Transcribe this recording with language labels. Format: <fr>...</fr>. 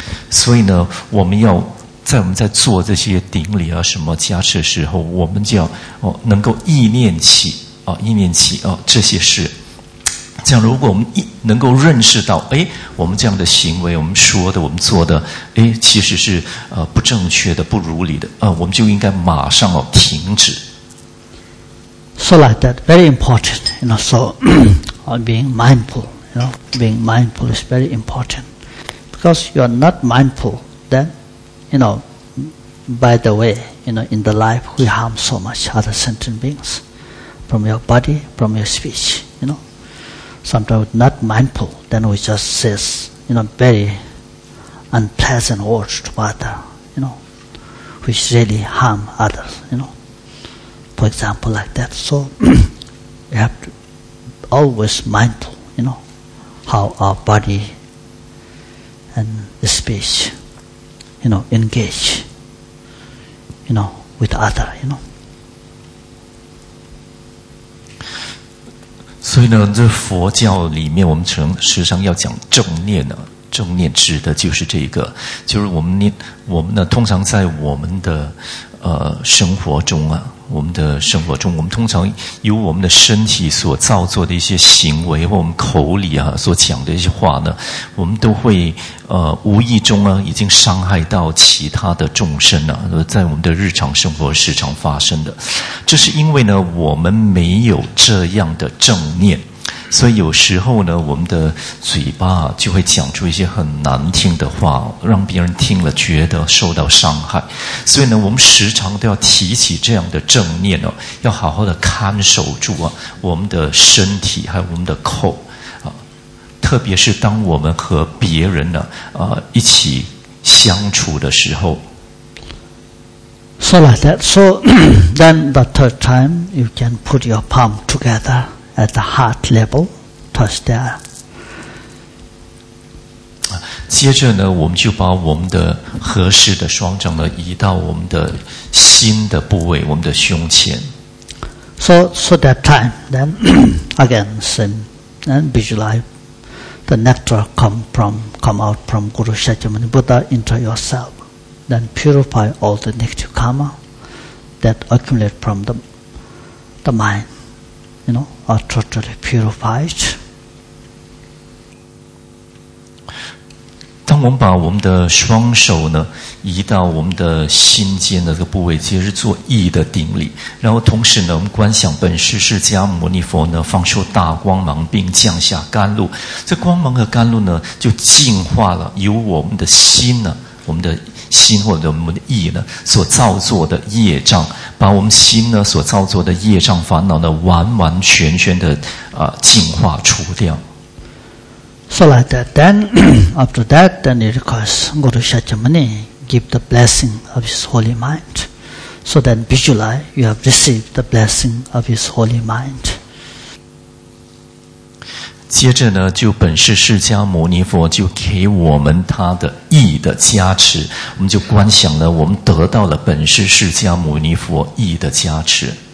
<zh>所以呢，我们要在我们在做这些顶礼啊什么加持的时候，我们就要能够意念起。这些事，这样如果我们能够认识到，哎，我们这样的行为，我们说的，我们做的，哎，其实是不正确的，不如理的，我们就应该马上停止。</zh> <en>So like that, very important, you know. So, being mindful, you know, being mindful is very important. Because you are not mindful, then, you know, by the way, you know, in the life we harm so much other sentient beings. From your body, from your speech, you know. Sometimes not mindful, then we just say, you know, very unpleasant words to bother, you know, which really harm others, you know. For example, like that. So, we have to always mindful, you know, how our body and speech, you know, engage, you know, with other, you know.</en> <zh>所以呢，这佛教里面我们时常要讲正念呢、正念指的就是这个，就是我们呢，通常在我们的生活中啊，我们的生活中，我们通常由我们的身体所造作的一些行为，或我们口里啊所讲的一些话呢，我们都会无意中呢、已经伤害到其他的众生了、在我们的日常生活时常发生的，这是因为呢我们没有这样的正念，所以有时候呢我们的嘴巴就会讲出一些很难听的话，让别人听了觉得受到伤害，所以呢我们时常都要提起这样的正念哦，要好好的看守住啊我们的身体还有我们的口。特别是当我们和别人呢一起相处的时候。</zh> <en>So like that. So then the third time, you can put your palm together at the heart level, touch there.</en> <zh>接着呢，我们就把我们的合适的双掌呢移到我们的心的部位，我们的胸前。</zh> <en>So that time, then again, same, and visualize. The nectar come out from Guru Shakyamuni Buddha into yourself, then purify all the negative karma that accumulate from the mind, you know, are totally purified.</en> <zh>当我们把我们的双手呢移到我们的心间的这个部位，其实是做意的顶礼，然后同时呢，我们观想本师释迦牟尼佛呢放出大光芒，并降下甘露。这光芒和甘露呢，就净化了由我们的心呢，我们的心或者我们的意呢所造作的业障，把我们心呢所造作的业障烦恼呢完完全全的净化除掉。</zh> <en>So like that, then after that, then it requires Guru Shakyamuni give the blessing of his holy mind. So then visualize you have received the blessing of his holy mind.</en> <zh>接着呢，就本师释迦牟尼佛就给我们他的意的加持，我们就观想了，我们得到了本师释迦牟尼佛意的加持。</zh>